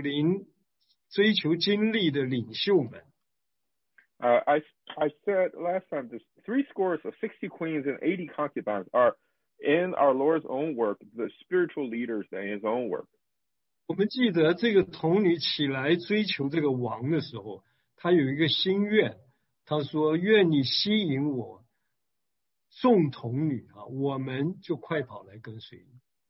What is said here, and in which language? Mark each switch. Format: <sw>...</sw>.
<zh>上次我在这里，我有一段我把它skip掉了，我说这个60王后80妃嫔，是指着神工作中属灵追求经历的领袖们。</zh> <en>I said last time, the 70 queens and 80 concubines are in our Lord's own work, the spiritual leaders in his own work.</en> <zh>我们记得这个童女起来追求这个王的时候, 她有一个心愿, 她说, 愿你吸引我, 众童女, 我们就快跑来跟随你。</zh>